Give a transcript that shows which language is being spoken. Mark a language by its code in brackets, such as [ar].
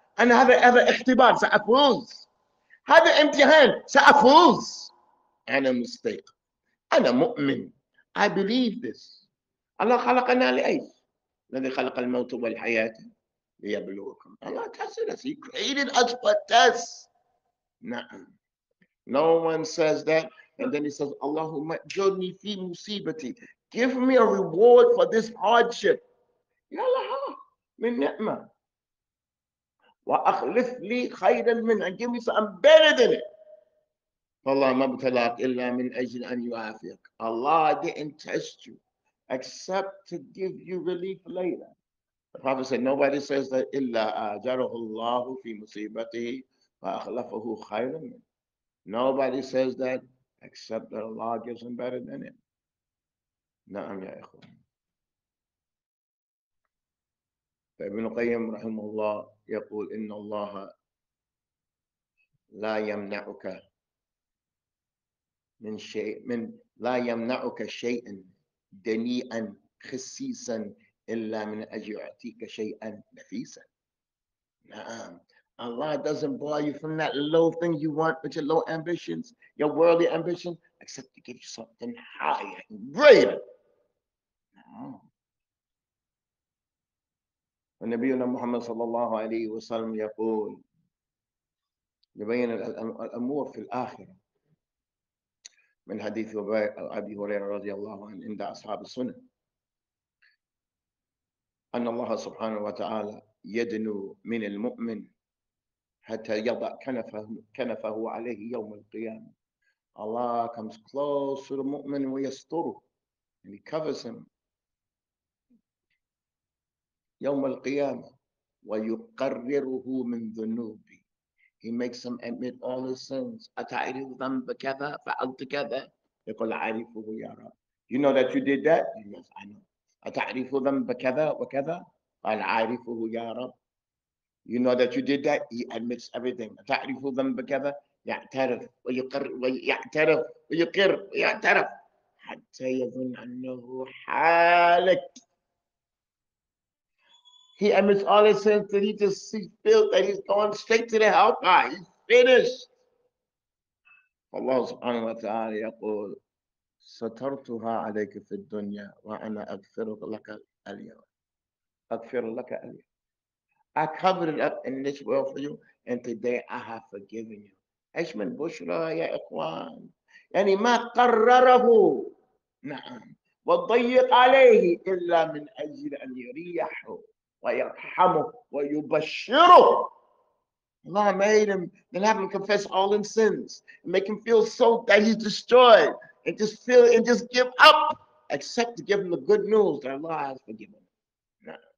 [ar] أنا هذا اختبار سأفوز. هذا امتحان سأفوز. أنا مستيقظ. انا مؤمن. [en] I believe this. [ar] الله خلقنا لايش؟ الذي خلق الموت والحياة ليبلوكم. الله تسأل [en] us. He created us for us. [ar] نعم. [en] No one says that. And then he says, [ar] اللهم اجرني في مصيبتي. [en] Give me a reward for this hardship. [ar] يلا ها من نعمة. وأخلف لي خيرا منها. [en] Give me something better than it. [ar] فالله ما ابتلاك إلا من أجل أن يعافيك. [en] Allah didn't test you except to give you relief later. The Prophet said, nobody says that [ar] إلا أجره الله في مصيبته وأخلفه خيرا منه. [en] Nobody says that except that Allah gives him better than it. [ar] نعم يا إخوان. فابن القيم رحمه الله يقول إن الله لا يمنعك من شيء من لا يمنعك شيئا دنيئا خسيسا إلا من أجل يعطيك شيئا نفيسا. نعم. [en] Allah doesn't bar you from that low thing you want with your low ambitions, your worldly ambition, except to give you something higher and greater. [ar] ونبينا محمد صلى الله عليه وسلم يقول يبين الأمور في الآخرة من حديث أبي هريرة رضي الله عنه عند أصحاب السنة أن الله سبحانه وتعالى يدنو من المؤمن حتى يضع كنفه عليه يوم القيامة. [en] Allah comes close to the mu'min [ar] ويستره [en] and he covers him [ar] يوم القيامة ويقرره من ذنوبه. [en] He makes him admit all his sins. [ar] أتعرف ذنب كذا فعلت كذا. يقول عارفه يا رب. [en] You know that you did that? Yes, I know. [ar] أتعرف ذنب كذا وكذا؟ قال عارفه يا رب. [en] You know that you did that? He admits everything. [ar] أتعرف ذنب كذا؟ يعترف ويقر ويعترف ويقر ويعترف حتى يظن أنه حالك. [en] He admits all his sins and he feels that he's going straight to the hellfire. He's finished. [ar] Allah subhanahu wa ta'ala يقول سترتها عليك في الدنيا وأنا أغفر لك اليوم. أغفر لك اليوم. [en] I covered it up in this world for you and today I have forgiven you. [ar] إيش من بشرى يا إخوان؟ يعني ما قرره. نعم. وضيق عليه إلا من أجل أن يريحه. ويرحمه ويبشره. [en] Allah made him then have him confess all his sins and make him feel so that he's destroyed and just feel and just give up except to give him the good news that Allah has forgiven him.